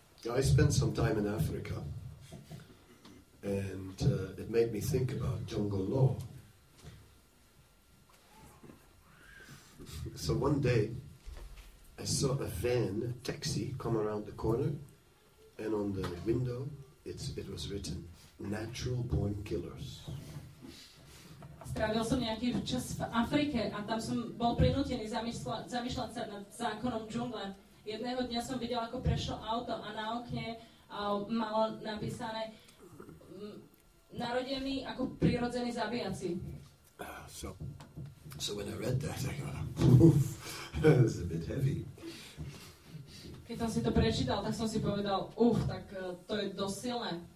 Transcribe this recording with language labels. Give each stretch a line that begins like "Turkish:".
English: I spent some time in Africa and it made me think about jungle law. So one day I saw a van, a taxi, come around the corner, and on the window, it was written, "Natural Born Killers."
Slovak: Strávil som nejaký čas v Afrike a tam som bol prinútený zamýšľať sa nad zákonom džungle. Jedného dňa som videl, ako prešlo auto a na okne malo napísané, narodený ako prirodzený zabijací.
English: So when I read that, I thought, "Oof, that was a bit heavy."
Slovak: Keď som si to prečítal, tak som si povedal, "Uf, tak to je dosť silné."